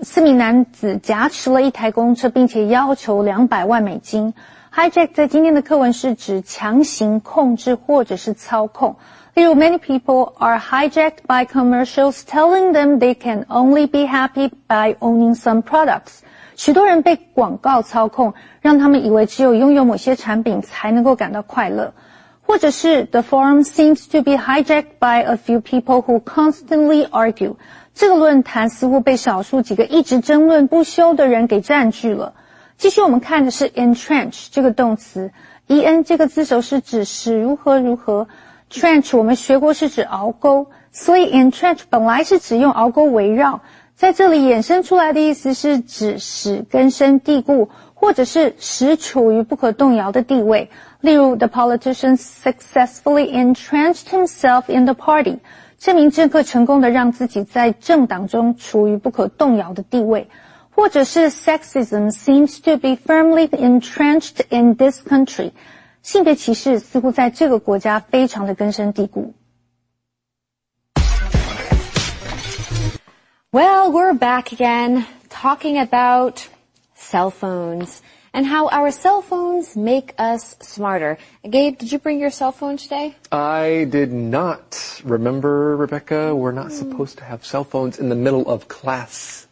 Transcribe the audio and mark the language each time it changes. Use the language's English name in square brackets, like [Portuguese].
[Chinese] 四名男子挟持了一台公车并且要求$2,000,000. Hijack 在今天的课文是指强行控制或者是操控。例如 [English] many people are hijacked by commercials telling them they can only be happy by owning some products. [Chinese] 许多人被广告操控，让他们以为只有拥有某些产品才能够感到快乐。或者是 [English] The forum seems to be hijacked by a few people who constantly argue. [Chinese] 这个论坛似乎被少数几个一直争论不休的人给占据了。继续我们看的是 entrench 这个动词。en 这个字首是指使如何如何。 trench 我们学过是指鏖沟。所以 entrench 本来是指用鏖沟围绕。在这里衍生出来的意思是指使根深蒂固，或者是使处于不可动摇的地位。例如 [English] The politician successfully entrenched himself in the party. [Chinese] 这名政客成功地让自己在政党中处于不可动摇的地位。或者是 [English] Sexism seems to be firmly entrenched in this country. [Chinese] 性别歧视似乎在这个国家非常的根深蒂固。 [English] Well, we're back again talking about cell phones and how our cell phones make us smarter. Gabe, did you bring your cell phone today? I did not. Remember, Rebecca, we're not supposed to have cell phones in the middle of class.